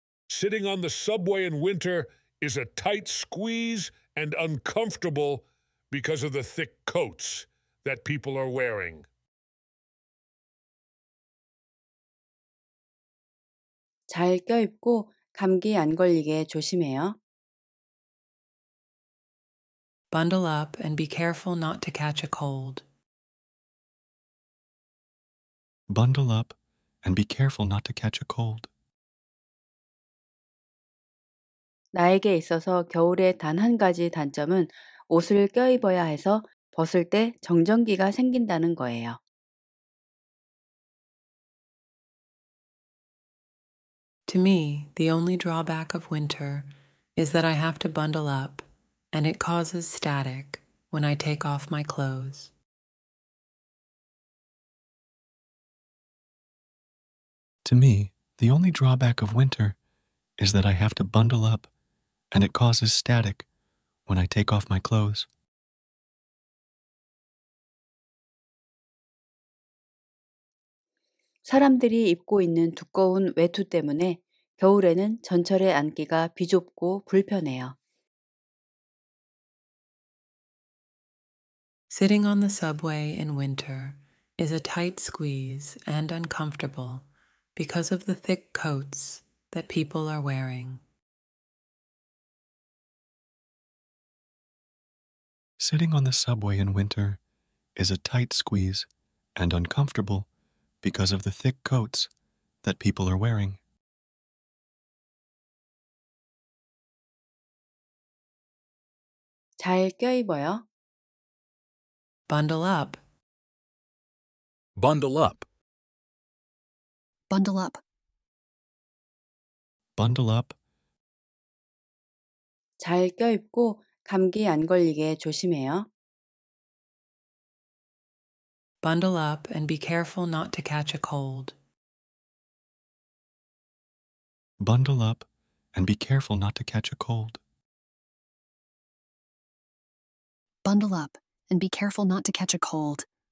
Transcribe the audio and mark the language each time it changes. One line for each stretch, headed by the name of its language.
English: Sitting on the subway in winter is a tight squeeze and uncomfortable because of the thick coats that people are wearing.
Korean: 잘 껴입고 감기 안 걸리게 조심해요.
English: Bundle up and be careful not to catch a cold. Bundle up and be careful not to catch a cold.
Korean: 나에게 있어서 겨울의 단 한 가지 단점은 옷을 껴입어야 해서 벗을 때 정전기가 생긴다는 거예요.
English: To me, the only drawback of winter is that I have to bundle up, and it causes static when I take off my clothes. To me, the only drawback of winter is that I have to bundle up, and it causes static when I take off my clothes.
Korean: "사람들이 입고 있는 두꺼운 외투 때문에 겨울에는 전철에 앉기가 비좁고 불편해요."
English: "Sitting on the subway in winter is a tight squeeze and uncomfortable because of the thick coats that people are wearing." "Sitting on the subway in winter is a tight squeeze and uncomfortable because of the thick coats that people are wearing."
Korean: 잘 껴입어요.
English: Bundle up. Bundle up. Bundle up. Bundle up.
Korean: 잘 껴입고 감기 안 걸리게 조심해요.
English: Bundle up and be careful not to catch a cold. Bundle up and be careful not to catch a cold. Bundle up and be careful not to catch a cold.